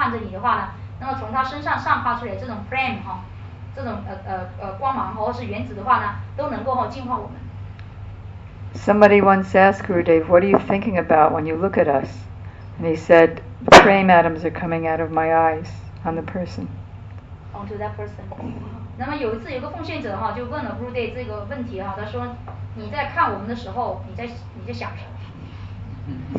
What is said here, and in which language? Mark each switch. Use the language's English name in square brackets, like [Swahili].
[Chinese] 这样的一个奉献者的话，他的言辞，他口中流露出这个话语的话，也可以清理我们内心中，就是说身上这些污染，以及要不得的东西。那么同时，就算他不说话，他只是坐在那里，或者看着你的话，那么从他身上散发出来这种 prema 这种光芒，或者是原子的话呢，都能够净化我们。 [English] Somebody once asked Gurudev, "What are you thinking about when you look at us?" And he said, "The prema atoms are coming out of my eyes on the person." Onto that person. [Chinese] 那么有一次，有个奉献者就问了 Gurudev 这个问题，他说：“你在看我们的时候，你在想什么？”